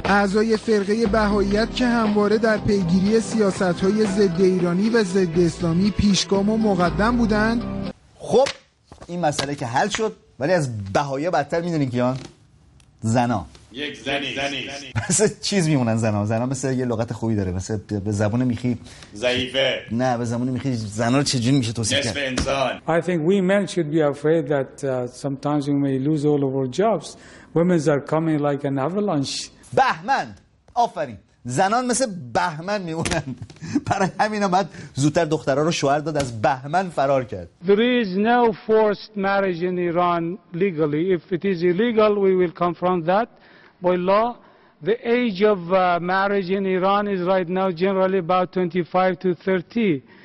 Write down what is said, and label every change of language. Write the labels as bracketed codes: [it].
[fa] اعضای فرقه بهائیت که همواره در پیگیری سیاست‌های ضد ایرانی و ضد اسلامی پیشگام و مقدم بودند. خب این مسئله که حل شد، ولی از بهایی بدتر میدونین کیان؟ زنا. یک زنی زنی مثل چیز میمونن زنا. زنا مثل یه لغت خوبی داره، مثل به زبون میخی ضعیفه. نه به زبون میخی زنا رو چجوری میشه توصیف کرد؟ نصف انسان. [en] I think we men should be afraid that sometimes we may lose all of our jobs. Women are coming like an avalanche. [fa] بهمن. آفرین. زنان مثل بهمن میمونن. برای همین بعد زودتر دخترها رو شوهر داد، از بهمن فرار کرد. [en] There is no forced marriage in Iran legally. If it is illegal, we will confront that by law. The age of marriage in Iran is right now generally about 25 to 30.